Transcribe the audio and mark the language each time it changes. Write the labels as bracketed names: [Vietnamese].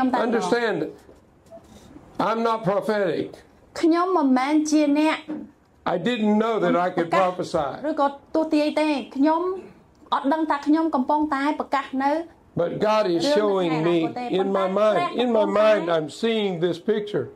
[English] Understand, I'm not prophetic. [Khmer] ខ្ញុំមិនមែនជាអ្នក [English] I didn't know that I could prophesy [Khmer] ឬក៏ទស្សន៍ទាយទេខ្ញុំអត់ដឹងថាខ្ញុំកំពុងតែប្រកាសនៅ [English] But God is showing me in my mind, I'm seeing this picture.